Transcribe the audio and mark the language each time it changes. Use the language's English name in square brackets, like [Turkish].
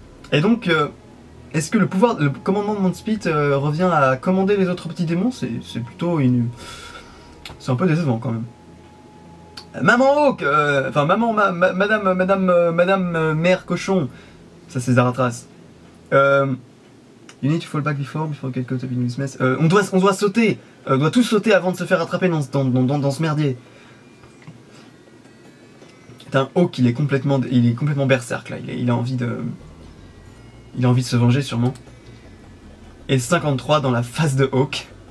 [French] Et donc, est-ce que le commandement de Mondspeed revient à commander les autres petits démons? C'est plutôt une... C'est un peu décevant quand même. Maman Hawk! Enfin, maman, madame mère cochon. Ça, c'est Zaratras. [English] You need to fall back before you get caught up in this mess. [French] On doit sauter. On doit tous sauter avant de se faire attraper dans ce merdier. Un Hawk, il est complètement berserk là, il a envie de se venger sûrement. Et 53 dans la face de Hawk.